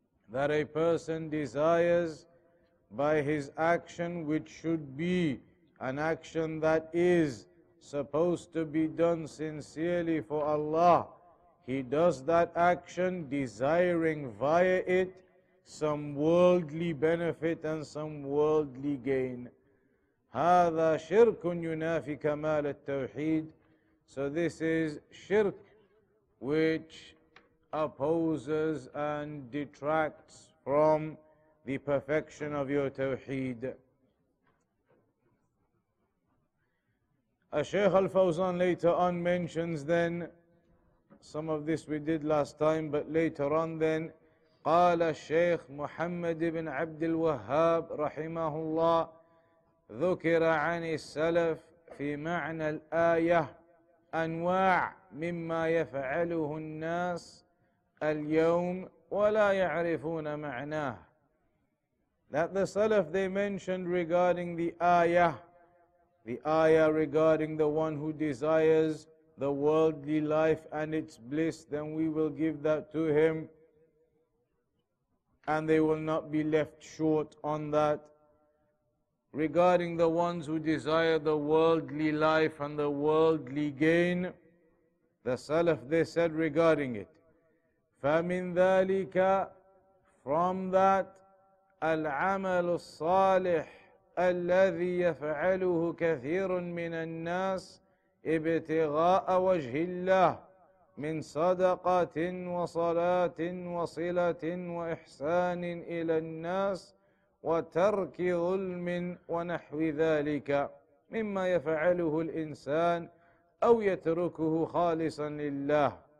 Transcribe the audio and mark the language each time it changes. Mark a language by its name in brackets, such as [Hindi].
[English] That a person desires by his action, which should be an action that is supposed to be done sincerely for Allah, he does that action desiring via it some worldly benefit and some worldly gain. [Arabic] هذا شرك ينافي كمال التوحيد. [English] So this is shirk, which opposes and detracts from the perfection of your tawheed. Shaykh Al-Fawzan later on mentions then, some of this we did last time, but later on then, [Arabic] قَالَ الشَّيْخ مُحَمَّدِ بِنْ عَبْدِ الْوَهَّابِ رَحِمَهُ اللَّهِ ذُكِرَ عَنِ السَّلَفِ فِي مَعْنَى الْآيَةِ أَنْوَاعِ مِمَّا يَفْعَلُهُ النَّاسِ اليوم ولا يعرفون معناه. [English] That the Salaf, they mentioned regarding the ayah regarding the one who desires the worldly life and its bliss, then we will give that to him and they will not be left short on that. Regarding the ones who desire the worldly life and the worldly gain, the Salaf, they said regarding it, [Arabic] فَمِنْ ذَلِكَ [English] from that [Arabic] الْعَمَلُ الصَّالِحِ الَّذِي يَفْعَلُهُ كَثِيرٌ مِّنَ النَّاسِ ابْتِغَاءَ وَجْهِ اللَّهِ مِنْ صَدَقَةٍ وَصَلَاةٍ وَصِلَةٍ وَإِحْسَانٍ إِلَى النَّاسِ وَتَرْكِ ظُلْمٍ وَنَحْوِ ذَلِكَ مِمَّا يَفْعَلُهُ الْإِنسَانِ أَوْ يَتْرُكُهُ خَالِصًا لِلَّهِ